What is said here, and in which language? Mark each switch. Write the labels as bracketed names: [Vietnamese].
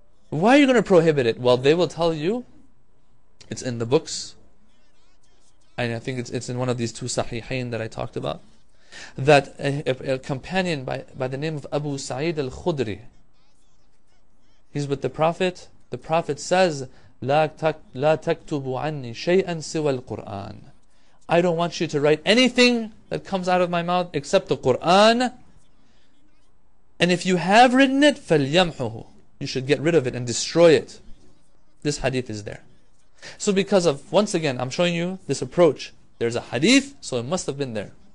[English] Why are you going to prohibit it? Well, they will tell you. It's in the books. And I think it's in one of these two sahihain that I talked about. That a companion by the name of Abu Sa'id al-Khudri, he's with the Prophet. [Arabic] The Prophet says, لَا تَكْتُبُ عَنِّي شَيْئًا سِوَى الْقُرْآنِ. [English] I don't want you to write anything that comes out of my mouth except the Qur'an. And if you have written it, فَلْيَمْحُهُ. You should get rid of it and destroy it. This hadith is there. So because of, once again, I'm showing you this approach. There's a hadith, so it must have been there.